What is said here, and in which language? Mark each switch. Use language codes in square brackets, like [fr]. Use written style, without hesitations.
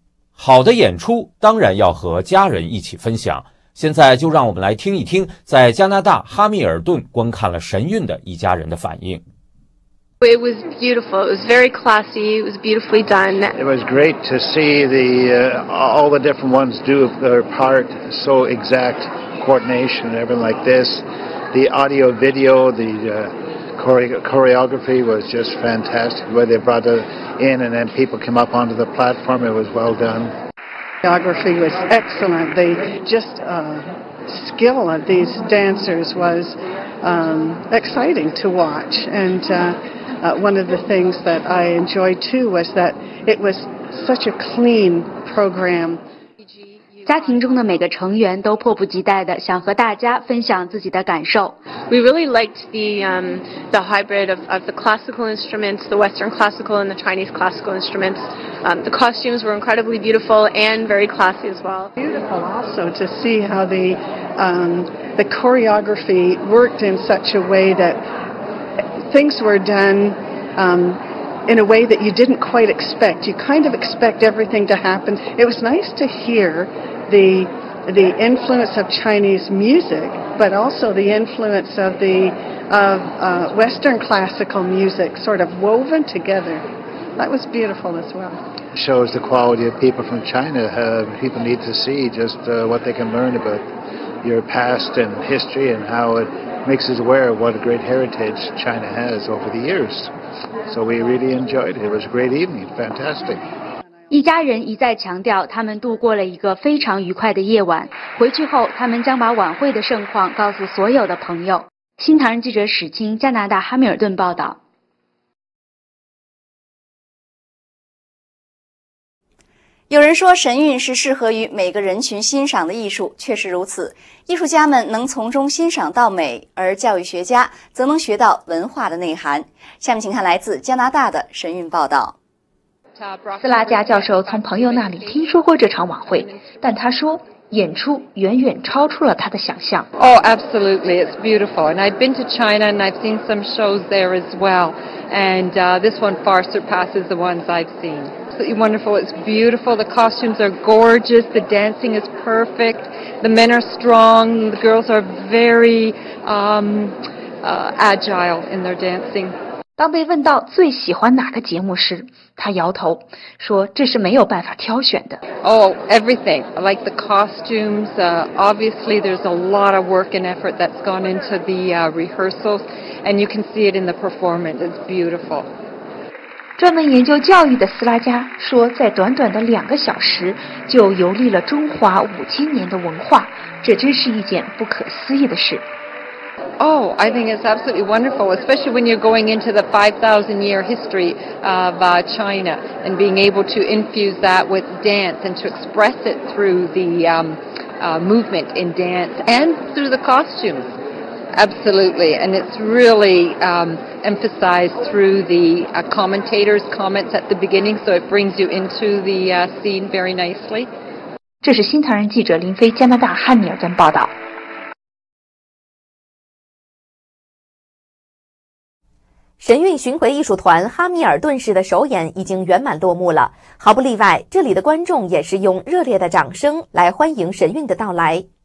[zh] 好的演出当然要和家人一起分享，现在就让我们来听一听在加拿大哈密尔顿观看了神韵的一家人的反应。 [en] It was beautiful. It was very classy. It was beautifully done. It was great to see the, all the different ones do their part. So exact coordination and everything like this. The audio video, the choreography was just fantastic. Where they brought it in and then people came up onto the platform. It was well done. The choreography was excellent. The just skill of these dancers was exciting to watch. And one of the things that I enjoyed too was that it was such a clean program. [zh] 家庭中的每个成员都迫不及待地想和大家分享自己的感受。 [en] We really liked the hybrid of the classical instruments, the Western classical and the Chinese classical instruments. The costumes were incredibly beautiful and very classy as well. Beautiful also to see how the choreography worked in such a way that things were done in a way that you didn't quite expect. You kind of expect everything to happen. It was nice to hear. The influence of Chinese music, but also the influence of the Western classical music sort of woven together. That was beautiful as well. It shows the quality of people from China. People need to see just what they can learn about your past and history and how it makes us aware of what a great heritage China has over the years. So we really enjoyed it. It was a great evening. Fantastic. [zh] 一家人一再强调，他们度过了一个非常愉快的夜晚。回去后，他们将把晚会的盛况告诉所有的朋友。新唐人记者史青，加拿大哈密尔顿报道。有人说神韵是适合于每个人群欣赏的艺术，确实如此。艺术家们能从中欣赏到美，而教育学家则能学到文化的内涵。下面请看来自加拿大的神韵报道。斯拉加教授从朋友那里听说过这场晚会，但他说演出远远超出了他的想象。 [en] Oh, absolutely, it's beautiful. And I've been to China and I've seen some shows there as well. And this one far surpasses the ones I've seen. It's wonderful, it's beautiful, the costumes are gorgeous, the dancing is perfect, the men are strong, the girls are very agile in their dancing. [zh] 当被问到最喜欢哪个节目时，他摇头说这是没有办法挑选的。 [en] Oh, everything. I like the costumes. Obviously, there's a lot of work and effort that's gone into the rehearsals, and you can see it in the performance. It's beautiful. [zh] 专门研究教育的斯拉加说，在短短的两个小时就游历了中华五千年的文化，这真是一件不可思议的事。 [en] Oh, I think it's absolutely wonderful, especially when you're going into the 5,000-year history of China and being able to infuse that with dance and to express it through the movement in dance and through the costumes. Absolutely, and it's really emphasized through the commentators' comments at the beginning, so it brings you into the scene very nicely. [zh] 这是新唐人记者林飞加拿大汉密尔顿报道。神韵巡回艺术团哈密尔顿市的首演已经圆满落幕了，毫不例外，这里的观众也是用热烈的掌声来欢迎神韵的到来。